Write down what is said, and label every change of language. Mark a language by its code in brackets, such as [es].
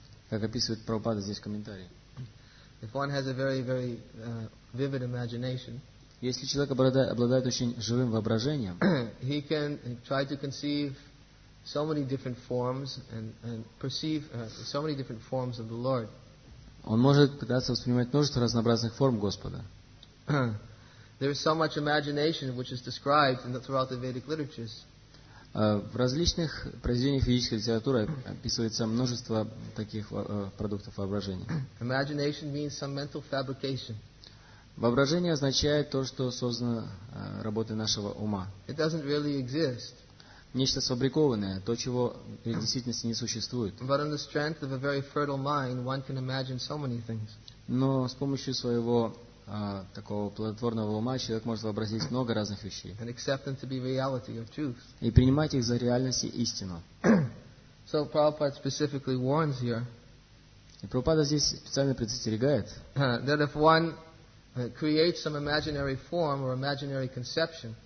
[ru] Как описывает Прабхупада здесь в комментарии. [en] If one has a very, very, vivid imagination, [ru] если человек обладает очень живым воображением, [en] he can try to conceive so many different forms and perceive so many different forms of the Lord. [ru] Он может пытаться воспринимать множество разнообразных форм Господа. [en] There is so much imagination which is described throughout the Vedic literatures. [ru] В различных произведениях ведической литературы описывается множество таких продуктов воображения. [en] Imagination means some mental fabrication. [ru] Воображение означает то, что создано работой нашего ума. [en] It doesn't really exist. [ru] Нечто сфабрикованное, то, чего в действительности не существует. [en] But on the strength of a very fertile mind, one can imagine so many things. [ru] Но с помощью своего такого плодотворного ума человек может вообразить много разных вещей [en] and accept them to be reality or truth. [ru] И принимать их за реальность и истину. [en] So Prabhupada specifically warns here, [ru] и Прабхупада здесь специально предостерегает, [en] that if one creates some imaginary form or imaginary conception,